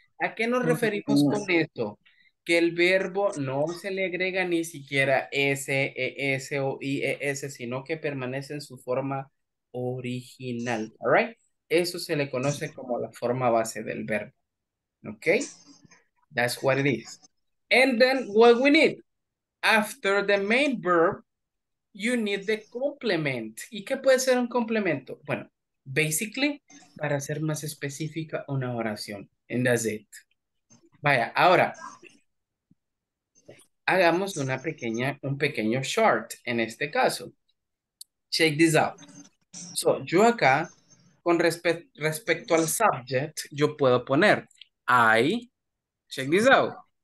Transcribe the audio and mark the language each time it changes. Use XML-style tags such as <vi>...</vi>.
<es>¿A qué nos referimos con esto? Que el verbo no se le agrega ni siquiera S, E, S o I, E, S, sino que permanece en su forma original.</es> <en>All right?</en> <es>Eso se le conoce como la forma base del verbo.</es> <en>¿Ok? That's what it is. And then what we need. After the main verb, you need the complement.</en> <es>¿Y qué puede ser un complemento? Bueno, basically, para ser más específica, una oración.</es> <en>And that's it.</en> <es>Vaya, ahora, hagamos una pequeña, un pequeño short en este caso.</es> <en>Check this out. So,</en> <es>yo acá, con respecto al subject, yo puedo poner</es> <en>I, Check this out.</en>